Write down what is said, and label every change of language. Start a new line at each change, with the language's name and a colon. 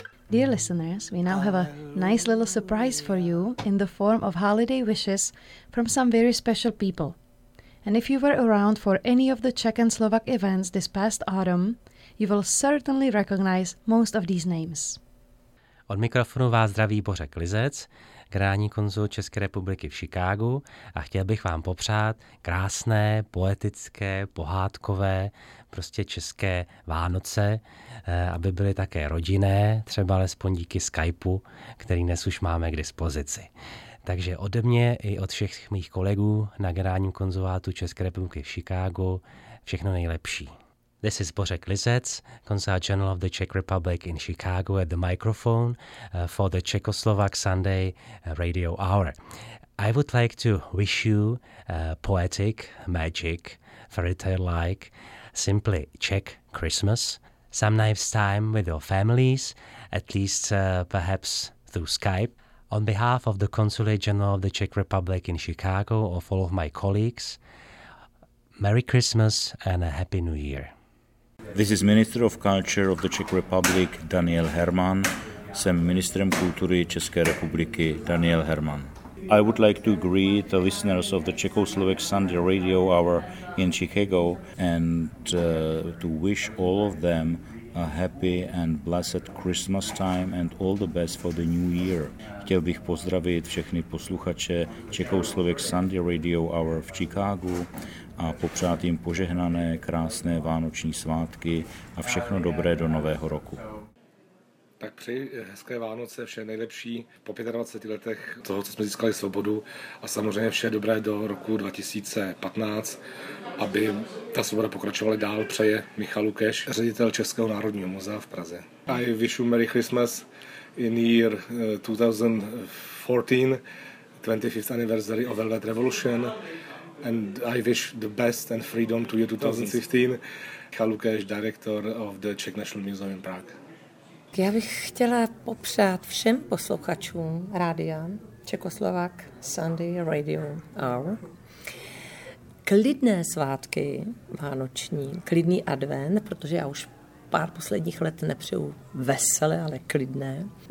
English: Dear listeners, we now have a nice little surprise for you in the form of holiday wishes from some very special people. And if you were around for any of the Czech and Slovak events this past autumn, you will certainly recognize most of these names.
Czech: Od mikrofonu vás zdraví Bořek Lizec, generální konzul České republiky v Chicagu, a chtěl bych vám popřát krásné, poetické, pohádkové, prostě české Vánoce, aby byly také rodinné, třeba alespoň díky Skypeu, který dnes už máme k dispozici. Takže ode mě i od všech mých kolegů na generálním konzulátu České republiky v Chicagu všechno nejlepší.
English: This is Bořek Lizec, Consul General of the Czech Republic in Chicago at the microphone for the Czechoslovak Sunday Radio Hour. I would like to wish you poetic, magic, fairy tale-like, simply Czech Christmas, some nice time with your families, at least perhaps through Skype. On behalf of the Consulate General of the Czech Republic in Chicago, of all of my colleagues, Merry Christmas and a Happy New Year. This is Minister of Culture of the Czech Republic, Daniel Herman.
Czech: Jsem ministrem kultury České republiky, Daniel Herman.
English: I would like to greet the listeners of the Czechoslovak Sunday Radio Hour in Chicago and to wish all of them a happy and blessed Christmas time and all the best for the new year.
Czech: Chtěl bych pozdravit všechny posluchače Czechoslovak Sunday Radio Hour v Chicagu a popřát jim požehnané krásné vánoční svátky a všechno dobré do nového roku. Tak přeji hezké Vánoce, vše nejlepší po 25 letech toho, co jsme získali svobodu, a samozřejmě vše dobré do roku 2015, aby ta svoboda pokračovala dál, přeje Michal Lukeš, ředitel Českého národního muzea v Praze.
English: I wish you Merry Christmas in year 2014, 25th anniversary of Velvet Revolution, and I wish the best and freedom to year 2015. Michal Lukeš, director of the Czech National Museum in Prague.
Czech: Já bych chtěla popřát všem posluchačům rádia Czechoslovak Sunday Radio Hour klidné svátky vánoční, klidný advent, protože já už pár posledních let nepřeju veselé, ale klidné.